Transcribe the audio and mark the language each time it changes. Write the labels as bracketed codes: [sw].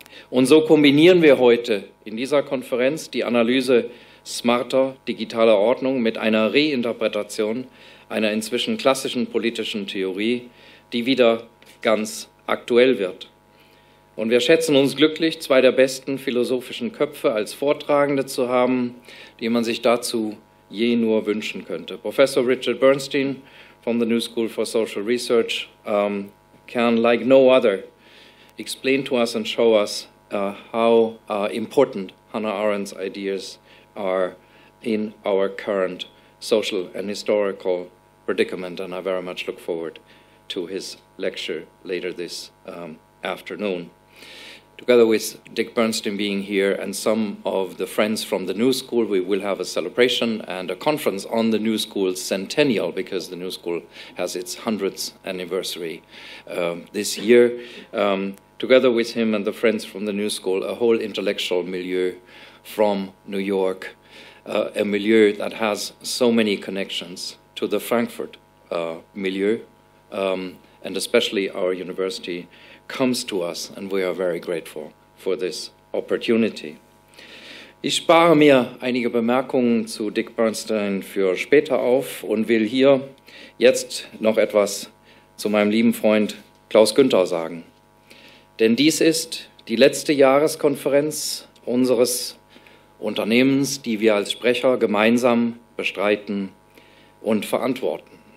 [de] Und so kombinieren wir heute in dieser Konferenz die Analyse smarter digitaler Ordnung mit einer Reinterpretation einer inzwischen klassischen politischen Theorie, die wieder ganz aktuell wird. Und wir schätzen uns glücklich, zwei der besten philosophischen Köpfe als Vortragende zu haben, die man sich dazu je nur wünschen könnte. [en] Professor Richard Bernstein von the New School for Social Research can, like no other, explain to us and show us how important Hannah Arendt's ideas are in our current social and historical predicament, and I very much look forward to his lecture later this afternoon. Together with Dick Bernstein being here and some of the friends from the New School, we will have a celebration and a conference on the New School's centennial, because the New School has its 100th anniversary this year. Together with him and the friends from the New School, a whole intellectual milieu from New York, a milieu that has so many connections to the Frankfurt milieu, and especially our university, comes to us, and we are very grateful for this opportunity. [de] Ich spare mir einige Bemerkungen zu Dick Bernstein für später auf und will hier jetzt noch etwas zu meinem lieben Freund Klaus Günther sagen. Denn dies ist die letzte Jahreskonferenz unseres Unternehmens, die wir als Sprecher gemeinsam bestreiten und verantworten.